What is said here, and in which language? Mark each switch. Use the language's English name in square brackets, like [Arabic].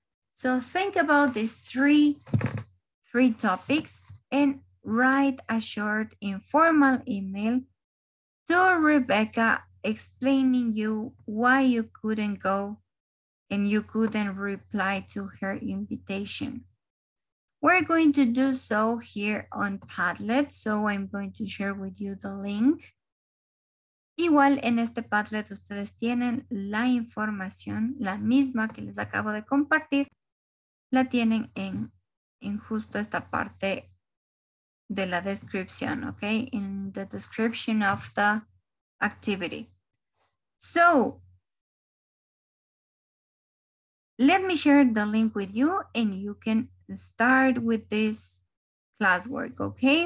[English] So think about these three topics and write a short informal email to Rebecca explaining you why you couldn't go and you couldn't reply to her invitation. We're going to do so here on Padlet, so I'm going to share with you the link. [Spanish] Igual en este Padlet ustedes tienen la información, la misma que les acabo de compartir, la tienen en justo esta parte de la descripción, ¿ok? [English] In the description of the activity. So, let me share the link with you and you can start with this classwork, okay?